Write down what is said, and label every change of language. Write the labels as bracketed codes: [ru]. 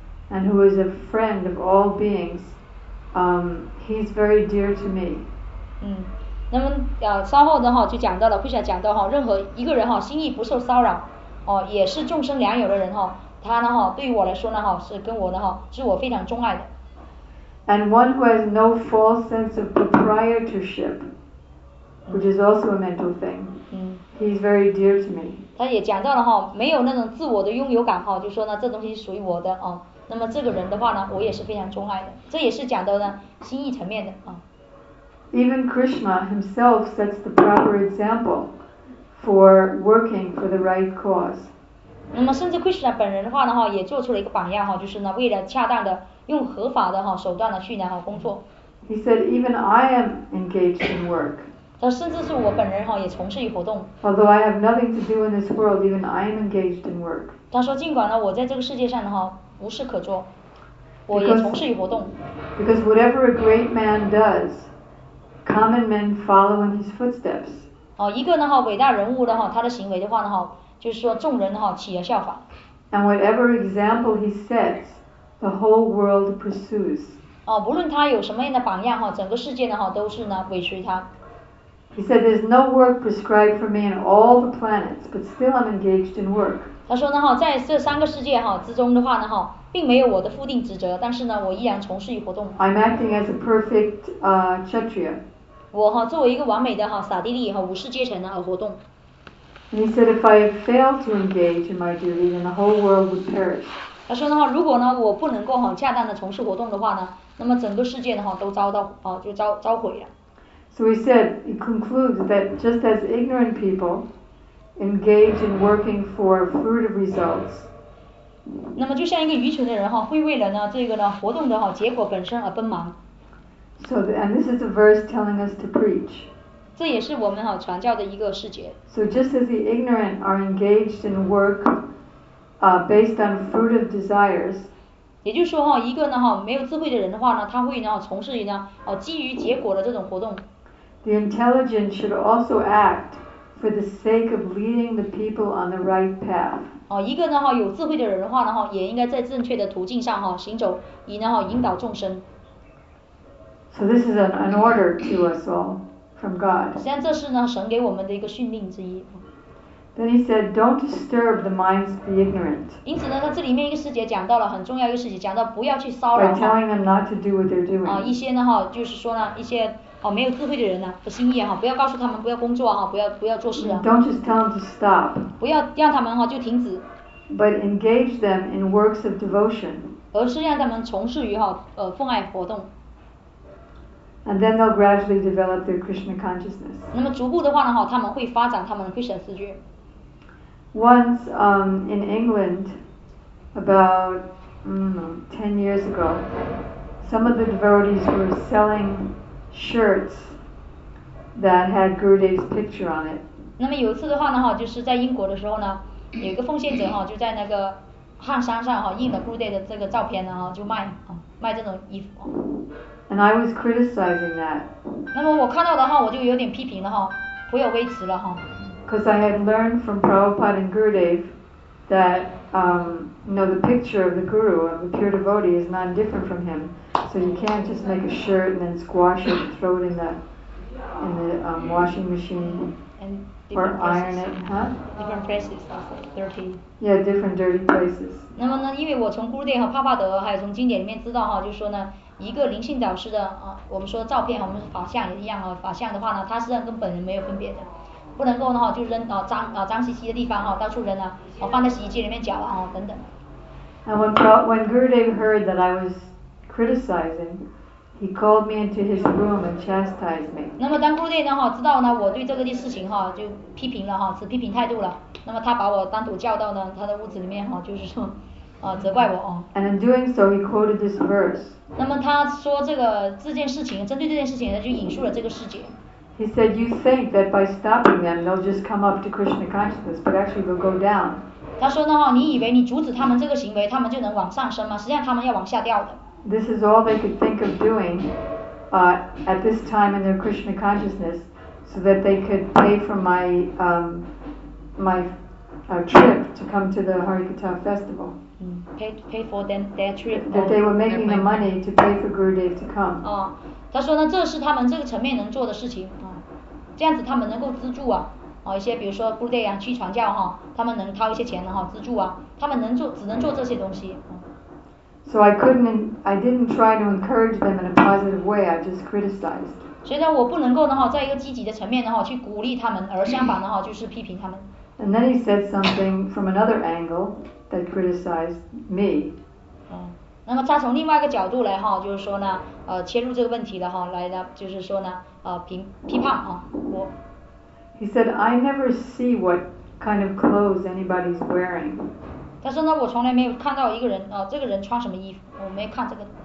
[en] And who is a friend of all beings, he's very dear to me. [zh] 嗯，那么稍后的哈就讲到了，会想讲到哈，任何一个人哈心意不受骚扰，哦，也是众生良友的人哈，他呢哈对于我来说呢哈是跟我的哈是我非常钟爱的。 [en] And one who has no false sense of proprietorship, which is also a mental thing, he's very dear to me. [zh] 他也讲到了哈，没有那种自我的拥有感哈，就说呢这东西属于我的啊。那么这个人的话呢，我也是非常钟爱的，这也是讲到呢心意层面的啊。 [en] Even Krishna himself sets the proper example for working for the right cause. [zh] 那么甚至 Krishna 本人的话呢哈，也做出了一个榜样哈，就是呢为了恰当的用合法的哈手段呢去呢哈工作。 [en] He said even I am engaged in work. [zh] 他甚至是我本人哈也从事于活动。 [en] Although I have nothing to do in this world, even I am engaged in work. [zh] 他说尽管呢我在这个世界上的哈。无事可做，我也从事于活动。 [en] Because whatever a great man does, common men follow in his footsteps. [zh] 哦，一个呢哈，伟大人物的哈，他的行为的话呢哈，就是说众人哈起而效仿。 [en] And whatever example he sets, the whole world pursues. [zh] 哦，不论他有什么样的榜样哈，整个世界呢哈都是呢尾随他。 [en] He said, "There's no work prescribed for me in all the planets, but still I'm engaged in work." [zh] 他说呢哈，在这三个世界哈之中的话呢哈，并没有我的固定职责，但是呢，我依然从事于活动。 [en] I'm acting as a perfect kshatriya. [zh] 我哈作为一个完美的哈萨帝利哈武士阶层呢而活动。 [en] And he said, "If I fail to engage in my duty, then the whole world would perish." [zh] 他说呢哈，如果呢我不能够哈恰当的从事活动的话呢，那么整个世界呢哈都遭到啊就遭毁了。 [en] So he said, he concludes that just as ignorant people engage in working for fruit of results. [zh] 那么就像一个愚蠢的人哈，会为了呢这个呢活动的哈结果本身而奔忙。 [en] So the, and this is a verse telling us to preach. [zh] 这也是我们哈传教的一个细节。 [en] So just as the ignorant are engaged in work, based on fruit of desires. [zh] 也就是说哈，一个呢哈没有智慧的人的话呢，他会呢从事于呢哦基于结果的这种活动。 [en] The intelligent should also act for the sake of leading the people on the right path. [zh] 哦，一个呢哈有智慧的人的话呢哈，也应该在正确的途径上哈行走，以呢哈引导众生。 [en] So this is an order to us all from God. [zh] 实际上这是呢神给我们的一个训令之一。 [en] Then he said, "Don't disturb the minds of the ignorant." [zh] 因此呢，他这里面一个细节讲到了很重要一个细节，讲到不要去骚扰。 [en] By telling them not to do what they're doing. [zh] 啊，一些呢哈，就是说呢一些。哦，没有智慧的人呢、啊，不心意哈、啊，不要告诉他们不要工作哈、啊，不要做事啊。 [en] Don't just tell them to stop. [zh] 不要让他们哈、啊、就停止。 [en] But engage them in works of devotion. [zh] 而是让他们从事于哈、啊、奉爱活动。 [en] And then they'll gradually develop their Krishna consciousness. [zh] 那么逐步的话呢哈，他们会发展他们的 Krishna 视觉。 [en] Once in England, about 10 years ago, some of the devotees were selling. Shirts that had Gurudev's picture on it. [zh] 那么有一次的话呢哈，就是在英国的时候呢，有一个奉献者哈，就在那个汗衫上哈印了 Gurudev 的这个照片呢哈，就卖这种衣服。 [en] And I was criticizing that. [zh] 那么我看到的话，我就有点批评了哈，颇有微词了哈。 [en] Because I had learned from Prabhupada and Gurudev that you know the picture of the Guru of the pure devotee is not different from him. So you can't just make a shirt and then squash it and throw it in the washing machine or iron it, huh? Different places, also dirty. Yeah, different dirty places. [zh] 那么呢，因为我从 Guru Dev 和帕帕德还有从经典里面知道哈，就是说呢，一个灵性导师的啊，我们说照片和我们法相一样啊，法相的话呢，它实际上跟本人没有分别的。不能够的话就扔啊脏啊脏兮兮的地方哈、啊，到处扔啊，哦、啊、放在洗衣机里面搅了、啊、哈、啊、等等。 [en] And when Gurudev heard that I was criticizing, he called me into his room and chastised me. [zh] 那么当 Gurudev 呢哈知道呢我对这个事情哈、啊、就批评了哈、啊、持批评态度了，那么他把我单独叫到呢他的屋子里面哈、啊、就是说。责怪我哦。 [en] And in doing so, he quoted this verse. [zh] 那么他说这个这件事情，针对这件事情，他就引述了这个事件。 [en] He said, "You think that by stopping them, they'll just come up to Krishna consciousness, but actually they'll go down." [zh] 他说呢，你以为你阻止他们这个行为，他们就能往上升吗？实际上他们要往下掉的。 [en] This is all they could think of doing, at this time in their Krishna consciousness, so that they could pay for my trip to come to the Harikatha festival. Pay for them their trip. That they were making the money to pay for Gurudev to come. [zh] 哦，他说呢，这是他们这个层面能做的事情。啊、这样子他们能够资助啊，哦、一些比如说 Gurudev 啊去传教哈、啊，他们能掏一些钱的、啊、哈资助啊，他们能做只能做这些东西。啊、 [en] so I didn't try to encourage them in a positive way. I just criticized. [zh] 所以呢，我不能够呢哈，在一个积极的层面呢哈去鼓励他们，而相反的哈就是批评他们。 [en] And then he said something from another angle that criticized me. [zh] 那么他从另外一个角度来哈，就是说呢，切入这个问题了哈，来呢，就是说呢，批判啊，我。 [en] He said, "I never see what kind of clothes anybody's wearing." [zh] 他说呢，我从来没有看到一个人啊，这个人穿什么衣服，我没看这个。